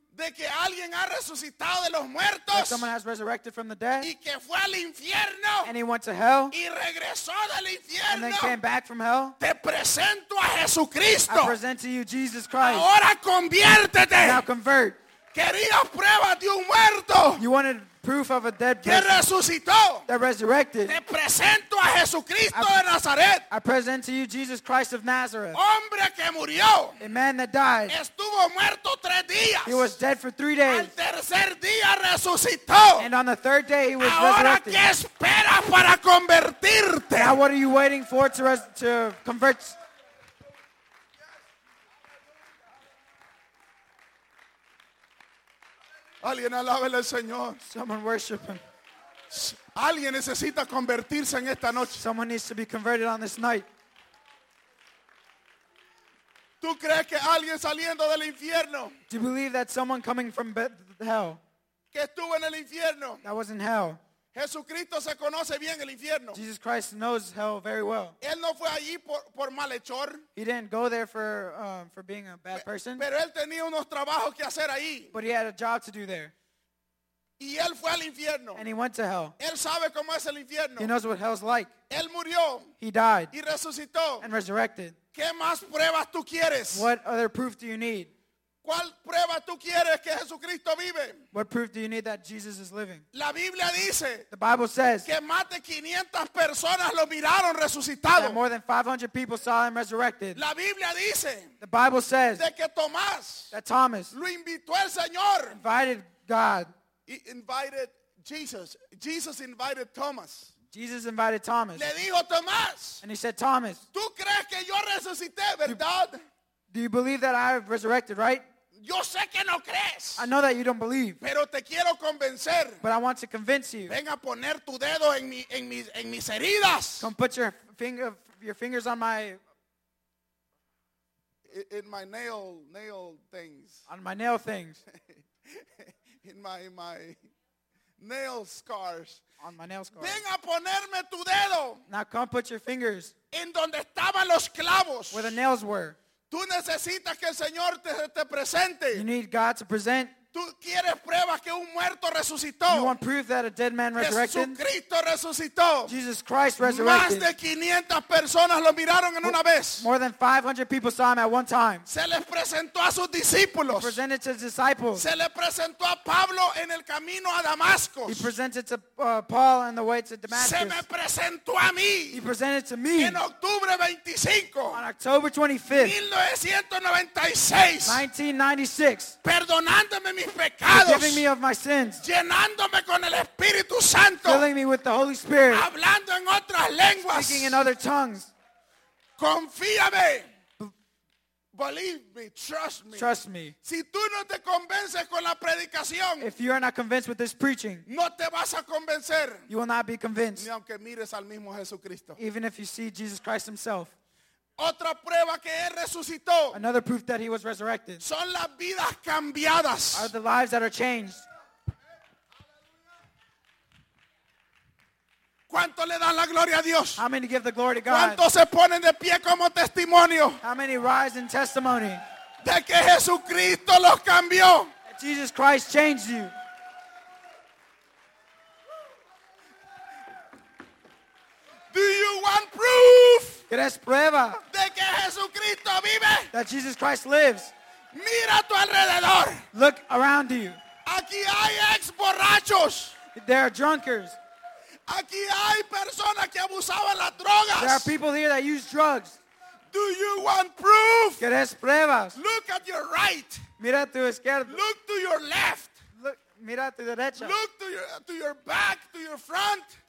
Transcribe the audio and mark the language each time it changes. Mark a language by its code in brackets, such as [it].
[es] De que alguien ha resucitado de los muertos. [en] That someone has resurrected from the dead. [es] Y que fue al infierno. [en] And he went to hell. [es] Y regresó del infierno. [en] And then came back from hell. [es] Te presento a Jesucristo. [en] I present to you Jesus Christ. [es] Ahora conviértete. [en] Now convert. [es] Querías pruebas de un muerto. [en] You wanted proof of a dead person. [es] Que resucitó. [en] That resurrected. [es] Te presento a Jesucristo de Nazaret. [en] I present to you Jesus Christ of Nazareth. [es] Hombre que murió. [en] A man that died. [es] Estuvo muerto tres días. [en] He was dead for 3 days. [es] Al tercer día resucitó. [en] And on the third day he was [es] ahora [en] resurrected. [es] ¿Qué esperas para convertirte? [en] Now what are you waiting for to convert? [es] Alguien alabe al Señor. [en] Someone worship him. [es] Alguien necesita convertirse en esta noche. [en] Someone needs to be converted on this night. [es] ¿Tú crees que alguien saliendo del infierno? [en] Do you believe that someone coming from hell? [es] Que estuvo en el infierno. [en] That was in hell. [es] Jesucristo se conoce bien el infierno. [en] Jesus Christ knows hell very well. [es] Él no fue allí por malhechor. [en] He didn't go there for being a bad person. [es] Pero él tenía unos trabajos que hacer ahí. [en] But he had a job to do there. [es] Y él fue al infierno. [en] And he went to hell. [es] Él sabe cómo es el infierno. [en] He knows what hell's like. [es] Él murió. [en] He died. [es] Y resucitó. [en] And resurrected. [es] ¿Qué más pruebas tú quieres? [en] What other proof do you need? [es] ¿Cuál prueba tú quieres que Jesucristo vive? [en] What proof do you need that Jesus is living? [es] La Biblia dice, [en] the Bible says, [es] que más de 500 personas lo miraron resucitado. [en] That more than 500 people saw him resurrected. [es] La Biblia dice, [en] the Bible says, [es] de que Tomás, [en] that Thomas, [es] lo invitó el Señor. [en] Invited God. He invited Jesus. Jesus invited Thomas. Jesus invited Thomas. [es] Le dijo Tomás. [en] And he said, Thomas, [es] ¿tú crees que yo resucité, verdad? [en] Do you believe that I have resurrected, right? [es] Yo sé que no crees. [en] I know that you don't believe. [es] Pero te quiero convencer. [en] But I want to convince you. [es] Ven a poner tu dedo en mis heridas. [en] Come put your fingers on my... In my nail things. On my nail things. In my nail scars. On my nail scars. [es] Ven a ponerme tu dedo. [en] Now come put your fingers. [es] En donde estaban los clavos. [en] Where the nails were. [es] Tú necesitas que el Señor te presente. [en] You need God to present. [es] Tú quieres pruebas que un muerto resucitó. [en] You want proof that a dead man resurrected. [es] Jesucristo resucitó. [en] Jesus Christ resurrected. [es] Más de 500 personas lo miraron en una vez. [en] More than 500 people saw him at one time. [es] Se les presentó a sus discípulos. [en] He presented to his disciples. [es] Se les presentó a Pablo en el camino a Damasco. [en] He presented to Paul on the way to Damascus. [es] Se me presentó a mí. [en] He presented to me. [es] En octubre 25. [en] On October 25th. 1996. [es] Perdonándome mis pecados, [en] forgiving me of my sins, [es] llenándome con el Espíritu Santo, [en] filling me with the Holy Spirit, [es] hablando en otras lenguas, [en] speaking in other tongues. [es] Confíame. [en] Believe me, trust me. Trust me. [es] Si tú no te convences con la predicación, [en] if you are not convinced with this preaching, [es] no te vas a convencer, [en] you will not be convinced, [es] ni aunque mires al mismo Jesucristo, [en] even if you see Jesus Christ himself. [es] Otra prueba que él resucitó. [en] Another proof that he was resurrected. [es] Son las vidas cambiadas. [en] Are the lives that are changed. [es] ¿Cuánto le dan la gloria a Dios? [en] How many give the glory to God? [es] ¿Cuánto se ponen de pie como testimonio? [en] How many rise in testimony? [es] De que Jesucristo los cambió. [en] That Jesus Christ changed you. Do you want proof? [es] ¿Quieres prueba? De que Jesucristo vive. [en] That Jesus Christ lives. [es] Mira a tu alrededor. [en] Look around you. [es] Aquí hay ex borrachos. [en] There are drunkards. [es] Aquí hay personas que abusaban las drogas. [en] There are people here that use drugs. Do you want proof? [es] ¿Quieres pruebas? [en] Look at your right. [es] Mira a tu izquierda. [en] Look to your left. Look, [es] mira a tu derecha. [en] Look to your back, to your front.